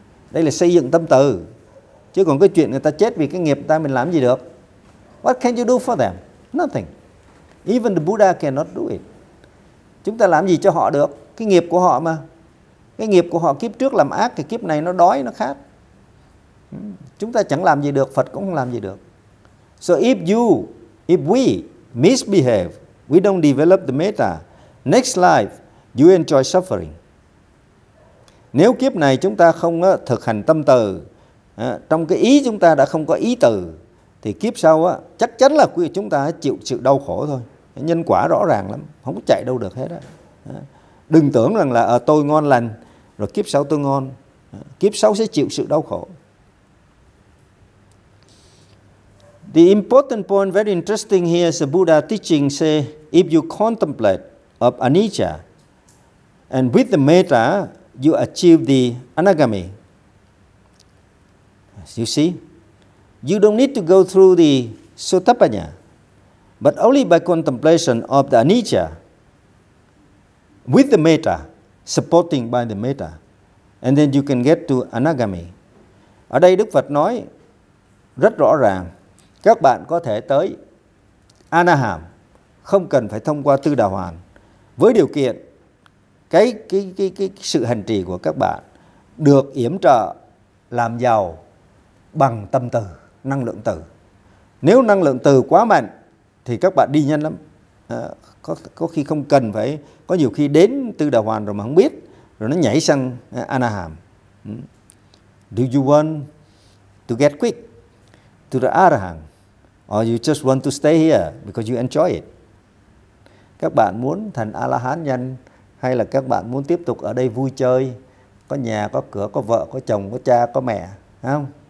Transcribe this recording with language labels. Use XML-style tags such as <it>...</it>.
<vi>Đây là xây dựng tâm từ. Chứ còn cái chuyện người ta chết vì cái nghiệp người ta, mình làm gì được?</vi> <en>What can you do for them? Nothing. Even the Buddha cannot do it.</en> <vi>Chúng ta làm gì cho họ được? Cái nghiệp của họ mà. Cái nghiệp của họ kiếp trước làm ác thì kiếp này nó đói, nó khát. Chúng ta chẳng làm gì được, Phật cũng không làm gì được.</vi> <en>So if we misbehave, we don't develop the metta, next life, you enjoy suffering.</en> <vi>Nếu kiếp này chúng ta không thực hành tâm từ, trong cái ý chúng ta đã không có ý từ, thì kiếp sau chắc chắn là chúng ta chịu sự đau khổ thôi. Nhân quả rõ ràng lắm, không có chạy đâu được hết á. Đừng tưởng rằng là tôi ngon lành, rồi kiếp sau tôi ngon. Kiếp sau sẽ chịu sự đau khổ.</vi> <en>The important point, very interesting here, is the Buddha teaching say, if you contemplate of anicca, and with the metta, you achieve the anagami. You see? You don't need to go through the sotapanna, but only by contemplation of the anicca, with the metta, supporting by the metta, and then you can get to anagami.</en> <vi>Ở đây Đức Phật nói rất rõ ràng, các bạn có thể tới Anaham không cần phải thông qua Tư Đà Hoàn, với điều kiện cái sự hành trì của các bạn được yểm trợ làm giàu bằng tâm từ, năng lượng từ. Nếu năng lượng từ quá mạnh thì các bạn đi nhanh lắm. Có khi không cần phải, có nhiều khi đến Tư Đà Hoàn rồi mà không biết, rồi nó nhảy sang Anaham.</vi> <en>Do you want to get quick to the Arahant, or you just want to stay here because you enjoy it?</en> <vi>Các bạn muốn thành A-la-hán nhanh, hay là các bạn muốn tiếp tục ở đây vui chơi, có nhà, có cửa, có vợ, có chồng, có cha, có mẹ, không?</vi>